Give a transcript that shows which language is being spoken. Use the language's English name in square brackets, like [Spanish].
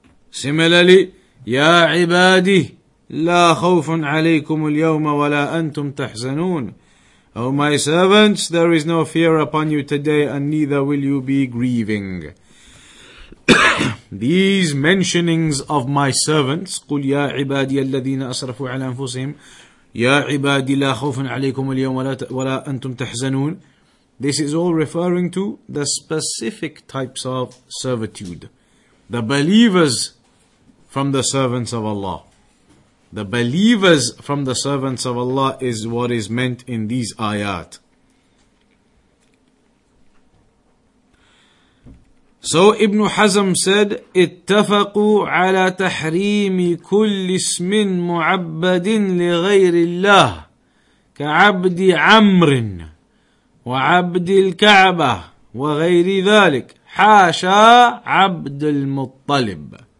[English] Similarly, [Arabic] يَا عِبَادِي لَا خَوْفٌ عَلَيْكُمُ الْيَوْمَ وَلَا أَنْتُمْ تَحْزَنُونَ. [English] O my servants, there is no fear upon you today, and neither will you be grieving. These mentionings of my servants, [Arabic] قُلْ يَا عِبَادِيَ الَّذِينَ أَصْرَفُوا عَلَىٰ أَنفُسِهِمْ يَا عِبَادِي لَا خَوْفٌ عَلَيْكُمُ الْيَوْمَ وَلَا أَنْتُمْ تَحْزَنُونَ. [English] This is all referring to the specific types of servitude. The believers from the servants of Allah. The believers from the servants of Allah is what is meant in these ayat. So Ibn Hazm said, [Arabic] اتفقوا على تحريم كل اسم معبد لغير الله كعبد عمر وعبد الكعبة وغير ذلك حاشا عبد المطلب.